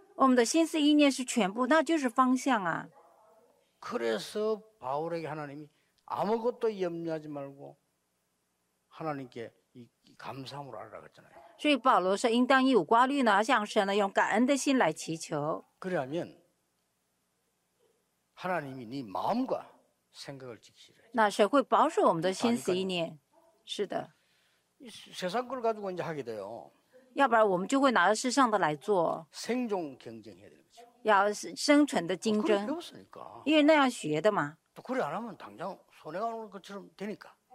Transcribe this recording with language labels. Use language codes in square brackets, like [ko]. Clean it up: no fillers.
[zh] 我们的心思意念是全部，那就是方向啊。 [ko] 그래서바울에게하나님이아무것도염려하지말고하나님께이감사함으로하라했잖아요 [zh] 所以保罗说应当一无挂虑呢向神呢用感恩的心来祈求 [ko] 그러면하나님이네마음과생각을지키시라 [zh] 那谁会保守我们的心思意念是的 [ko] 세상걸가지고이제하게돼요 [zh] 要不然我们就会拿着世上的来做 [ko] 생존경쟁해야되는거죠 [zh] 要生存的竞争 [ko] 그걸배웠으니까 [zh] 因为那样学的嘛 [ko] 또그래안하면당장손해가오는것처럼되니까